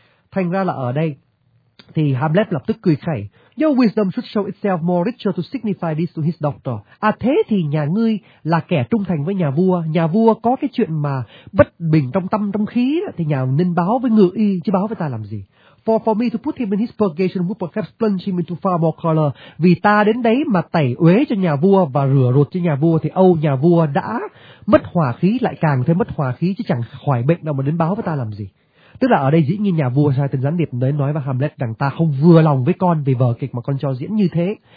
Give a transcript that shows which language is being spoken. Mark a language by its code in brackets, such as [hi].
[vi] Thành ra là ở đây thì Hamlet lập tức cười khẩy: [en] your wisdom should show itself more richer to signify this to his doctor. [vi] À thế thì nhà ngươi là kẻ trung thành với nhà vua có cái chuyện mà bất bình trong tâm trong khí thì nhà nên báo với ngự y chứ báo với ta làm gì. [en] For me to put him in his purgation would perhaps plunge him into far more color. [vi] Vì ta đến đấy mà tẩy uế cho nhà vua và rửa ruột cho nhà vua thì âu nhà vua đã mất hòa khí lại càng thêm mất hòa khí, chứ chẳng khỏi bệnh đâu mà đến báo với ta làm gì. Tức là ở đây dĩ nhiên nhà vua sai tên gián điệp đến nói với Hamlet rằng ta không vừa lòng với con vì vở kịch mà con cho diễn như thế.